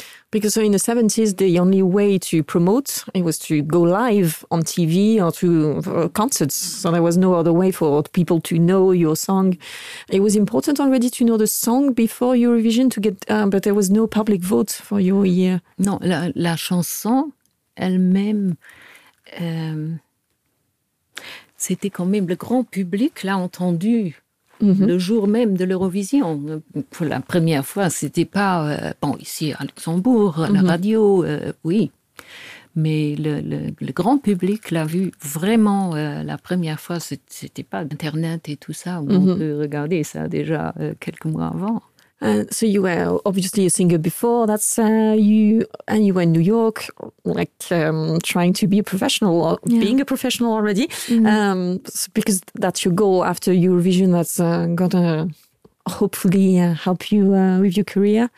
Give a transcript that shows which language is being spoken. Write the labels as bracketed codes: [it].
[en] Because so in the 70s, the only way to promote it was to go live on TV or to concerts. So there was no other way for people to know your song. It was important already to know the song before Eurovision to get, but there was no public vote for your year. [fr] Non, la chanson elle-même, c'était quand même le grand public l'a entendu. Mm-hmm. Le jour même de l'Eurovision, pour la première fois, c'était pas, bon, ici à Luxembourg, à la radio, oui. Mais le grand public l'a vu vraiment la première fois, c'était pas Internet et tout ça, on peut regarder ça déjà quelques mois avant. [en] So you were obviously a singer before, that's you, and you were in New York, like trying to be a professional, or being a professional already, because that's your goal after Eurovision, that's gonna hopefully help you with your career.